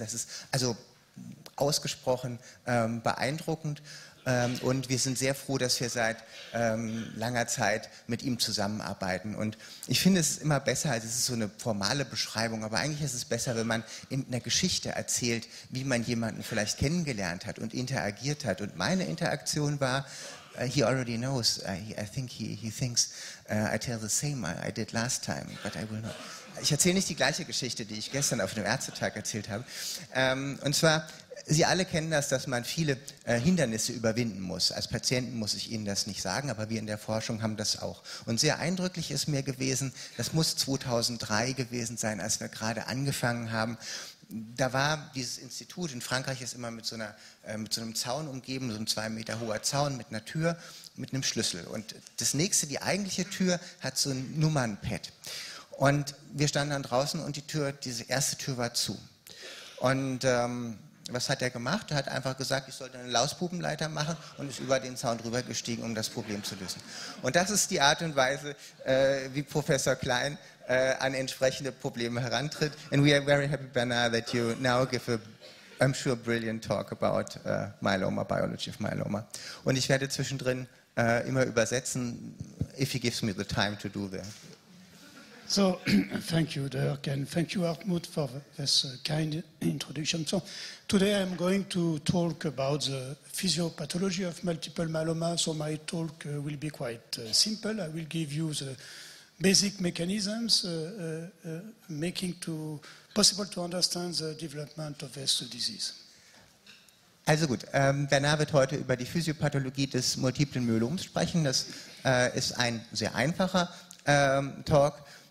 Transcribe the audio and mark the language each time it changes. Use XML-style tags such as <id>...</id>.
<de>Das ist also ausgesprochen beeindruckend. Und wir sind sehr froh, dass wir seit langer Zeit mit ihm zusammenarbeiten. Und ich finde, es ist immer besser, also es ist so eine formale Beschreibung, aber eigentlich ist es besser, wenn man in einer Geschichte erzählt, wie man jemanden vielleicht kennengelernt hat und interagiert hat. Und meine Interaktion war,</de> <en>he already knows, I think he thinks I tell the same I did last time, but I will not.</en> <de>Ich erzähle nicht die gleiche Geschichte, die ich gestern auf dem Ärztetag erzählt habe. Und zwar, Sie alle kennen das, dass man viele Hindernisse überwinden muss. Als Patienten muss ich Ihnen das nicht sagen, aber wir in der Forschung haben das auch. Und sehr eindrücklich ist mir gewesen, das muss 2003 gewesen sein, als wir gerade angefangen haben. Da war dieses Institut, in Frankreich ist immer mit so einer, mit so einem Zaun umgeben, so ein 2 Meter hoher Zaun mit einer Tür, mit einem Schlüssel. Und das nächste, die eigentliche Tür, hat so ein Nummernpad. Und wir standen dann draußen und die Tür, diese erste Tür war zu. Und was hat er gemacht? Er hat einfach gesagt, ich sollte eine Lauspupenleiter machen und ist über den Zaun drüber gestiegen, um das Problem zu lösen. Und das ist die Art und Weise, wie Professor Klein an entsprechende Probleme herantritt.</de> <en>And we are very happy, Bernard, that you now give a, I'm sure, brilliant talk about myeloma, biology of myeloma.</en> <de>Und ich werde zwischendrin immer übersetzen,</de> <en>if he gives me the time to do that. So, thank you, Dirk, and thank you, Hartmut, for this kind introduction. So, today I'm going to talk about the physiopathology of multiple myeloma, so my talk will be quite simple. I will give you the basic mechanisms making to possible to understand the development of this disease.</en> <de>Also gut, Bernard wird heute über die Physiopathologie des multiplen Myeloms sprechen. Das ist ein sehr einfacher Talk.</de>